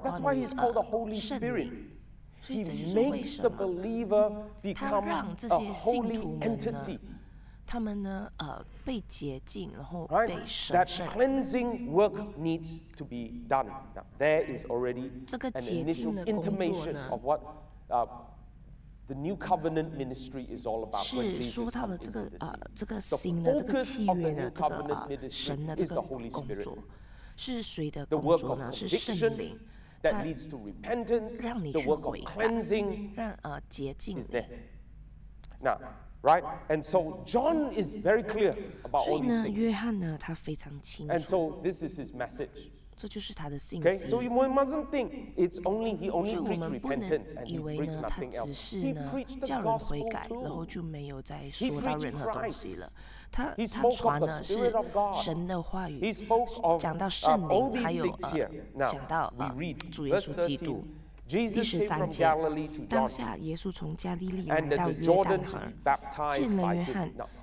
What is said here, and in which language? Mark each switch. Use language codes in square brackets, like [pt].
[en] That's why he's called the Holy Spirit. He makes the believer become a holy entity. [zh] 他们呢？被洁净，然后被神圣。 [en] That cleansing work needs to be done. Now, there is already an initial intimation of what the new covenant ministry is all about. [zh] 是说到了这个新的这个契约的这个神的这个工作，是谁的工作呢？是圣灵。 [en] That leads to repentance. The work of cleansing. [zh] 让洁净。 [en] Is there? Now. Right, and so John is very clear about all these things. [zh] 所以呢，约翰呢，他非常清楚。 [en] And so this is his message. [zh] 这就是他的信息。 [en] Okay, so we mustn't think it's only he only preached repentance and he preached nothing else. [zh] 所以我们不能以为呢，他只是呢叫人悔改，然后就没有再说到任何东西了。他传的是神的话语，讲到圣灵，还有讲到主耶稣基督。 [en] Jesus came from Galilee to John, and entered Jordan to be baptized by him.